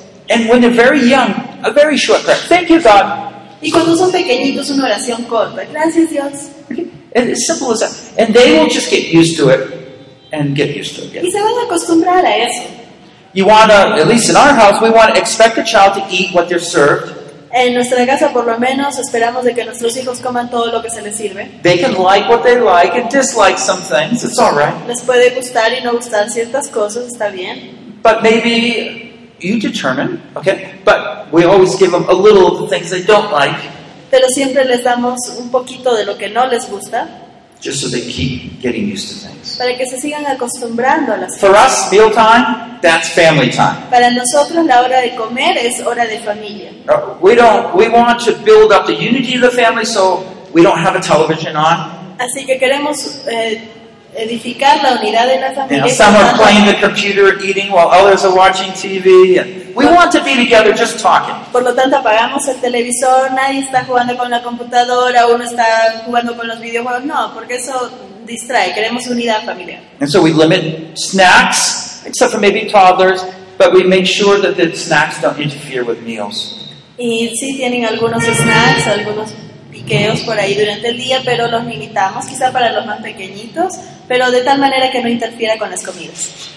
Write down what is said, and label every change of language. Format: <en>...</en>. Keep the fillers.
<en>and when they're very young, a very short prayer. thank you, God.</en> <es>Y cuando son pequeñitos, una oración corta. Gracias, Dios.</es> <en>And it's simple as that. And they will just get used to it and get used to it.</en> <es>Y se van a acostumbrar a eso.</es> <en>You want to, at least in our house, we want to expect the child to eat what they're served.</en> <es>En nuestra casa, por lo menos, esperamos de que nuestros hijos coman todo lo que se les sirve.</es> <en>They can like what they like and dislike some things. It's all right.</en> <es>Les puede gustar y no gustar ciertas cosas. Está bien.</es> <en>But maybe... you determine, okay? But we always give them a little of the things they don't like.</en> <es>Pero siempre les damos un poquito de lo que no les gusta.</es> <en>Just so they keep getting used to things.</en> <es>Para que se sigan acostumbrando a las cosas.</es> <en>For us, meal time, that's family time.</en> <es>Para nosotros, la hora de comer es hora de familia.</es> <en>No, we don't. We want to build up the unity of the family, so we don't have a television on.</en> <es>Así que queremos. Eh, edificar la unidad en la familia.</es> <en>You know, familias, some are</en> <es>¿no?</es> <en>playing the computer eating while others are watching TV. we no, want to be together just talking.</en> <es>Por lo tanto, apagamos el televisor, nadie está jugando con la computadora, uno está jugando con los videojuegos. No, porque eso distrae, queremos unidad familiar.</es> <en>And so we limit snacks, except for maybe toddlers, but we make sure that the snacks don't interfere with meals.</en> <es>Y sí si tienen algunos snacks, algunos os por ahí durante el día, pero los limitamos quizá para los más pequeñitos, pero de tal manera que no interfiera con las comidas.</es>